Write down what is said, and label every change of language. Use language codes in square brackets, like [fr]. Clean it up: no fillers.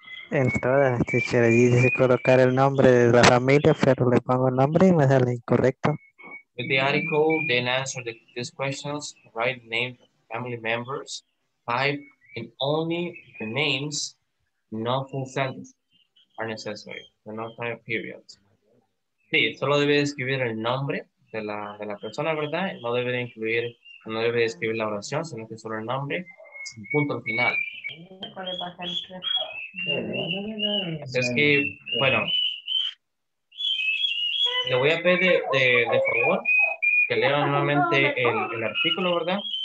[es] En todas, teacher, allí dice colocar el nombre de la familia, pero le pongo el nombre y me sale incorrecto. [en] With the article, then answer these questions, write the name of family members, type in only the names, no full sentences are necessary, the no time periods. [es] Sí, solo debe escribir el nombre de la persona, ¿verdad? No debe incluir, no debe escribir la oración, sino que solo el nombre, sin punto al final. Es que, bueno, le voy a pedir de favor que lea nuevamente el artículo, ¿verdad?